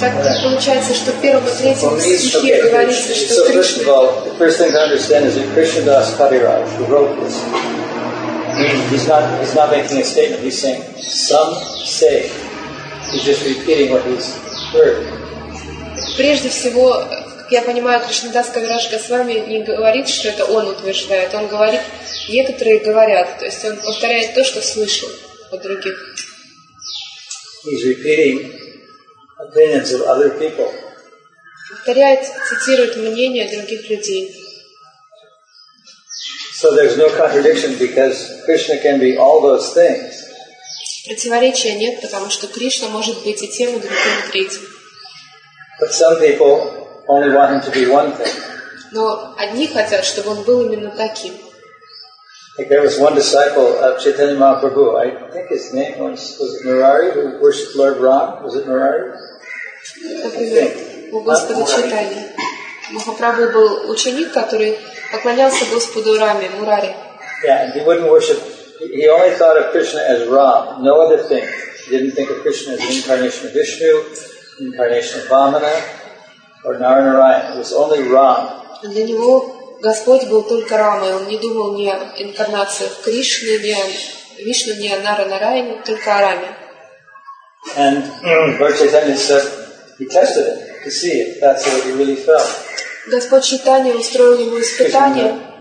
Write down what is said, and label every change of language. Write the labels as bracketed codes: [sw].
[ru] Так получается, что в первом и третьем стихе говорится, что Кришна... [en] So first of all, the first thing to understand is that Krishna Das Kaviraj, who wrote this, he's not making a statement. He's saying, some say. He's just repeating what he's heard. [ru] Прежде всего, я понимаю, Кришнадас Кавираш Госвами не говорит, что это он утверждает. Он говорит, некоторые говорят. То есть он повторяет то, что слышал от других. [en] He's repeating opinions of other people. [ru] Повторяет, цитирует мнения других людей. [en] So there's no contradiction because Krishna can be all those things. [ru] Противоречия нет, потому что Кришна может быть и тем, и другим, и третьим. [en] But some people only want him to be one thing. [ru] Но одни хотят, чтобы он был именно таким. [en] Like there was one disciple of Chaitanya Mahaprabhu. I think his name was it Murari who worshipped Lord Ram? Was it Murari? [ru] У Господа Чайтаньи. Махапрабху был ученик, который поклонялся Господу Раме, Мурари. [en] Yeah, and he wouldn't worship. He only thought of Krishna as Ram, no other thing. He didn't think of Krishna as the incarnation of Vishnu, incarnation of Vamana. Or Naranarayana, it was only Ram. And [ru] для него Господь был только Рама, он не думал ни о инкарнациях Кришны, ни о Вишну, ни о Наранарайане, только о Раме. [en] And Lord Chaitanya said he tested it to see if that's what he really felt. [ru] Господь Чайтанья устроил ему испытание.